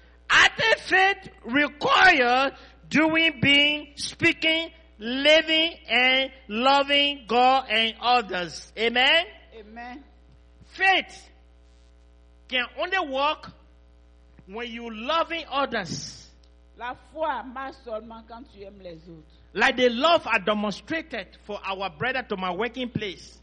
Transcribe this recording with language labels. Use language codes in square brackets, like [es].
[en] Active faith requires doing, being, speaking, living, and loving God and others. Amen? Amen. Faith can only work when you loving others. [fr] La foi marche seulement quand tu aimes les autres. [en] Like the love I demonstrated for our brother to my working place.